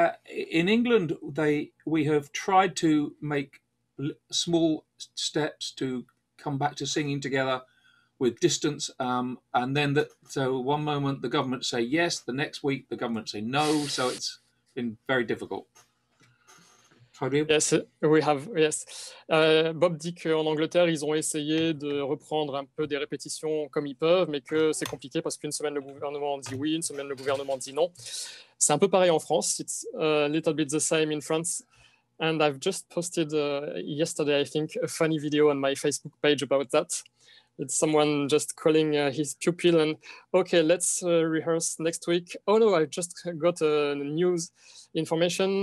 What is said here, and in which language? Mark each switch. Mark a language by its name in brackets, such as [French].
[English] In England, we have tried to make small steps to come back to singing together with distance, and then so one moment the government say yes, the next week the government say no, so it's been very difficult. Yes, we have. [French] Yes, Bob dit qu'en Angleterre, ils ont essayé de reprendre un peu des répétitions comme ils peuvent, mais que c'est compliqué parce qu'une semaine le gouvernement dit oui, une semaine le gouvernement dit non. C'est un peu pareil en France. [English] It's a little bit the same in France. And I've just posted yesterday, I think, a funny video on my Facebook page about that. It's someone just calling his pupil and, okay, let's rehearse next week. Oh, no, I just got news information.